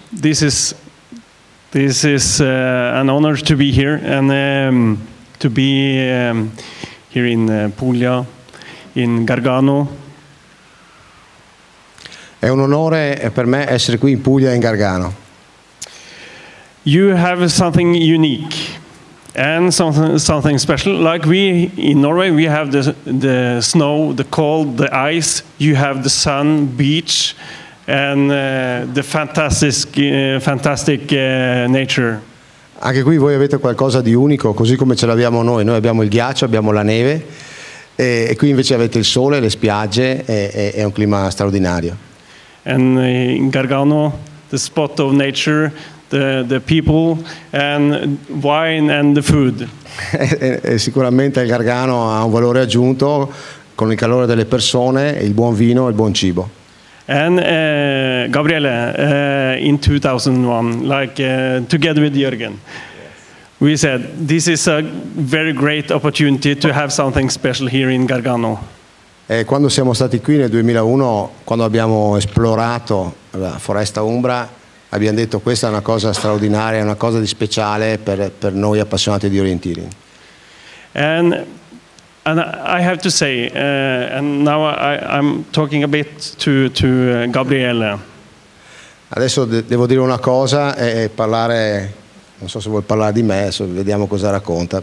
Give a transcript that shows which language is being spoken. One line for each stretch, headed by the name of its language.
English: This is an honor to be here, and to be here in Puglia, in Gargano.
Italian: È un onore per me essere qui in Puglia, in Gargano.
English: You have something unique and something special. Like we in Norway, we have the snow, the cold, the ice. You have the sun, beach, and the fantastic nature.
Italian: Anche qui voi avete qualcosa di unico, così come ce l'abbiamo noi. Noi abbiamo il ghiaccio, abbiamo la neve, e qui invece avete il sole, le spiagge, e un clima straordinario.
English: And in Gargano, the spot of nature, the people, and wine and the food.
Italian: E sicuramente il Gargano ha un valore aggiunto con il calore delle persone, il buon vino e il buon cibo.
English: And Gabriele, in 2001, like together with Jürgen, yes, we said this is a very great opportunity to have something special here in Gargano.
Italian: E quando siamo stati qui nel 2001, quando abbiamo esplorato la foresta umbra, abbiamo detto questa è una cosa straordinaria, una cosa di speciale per noi appassionati di orienteering.
English: And I have to say, and now I'm talking a bit to Gabriele.
Italian: Adesso devo dire una cosa e parlare, non so se vuoi parlare di me, adesso vediamo cosa racconta.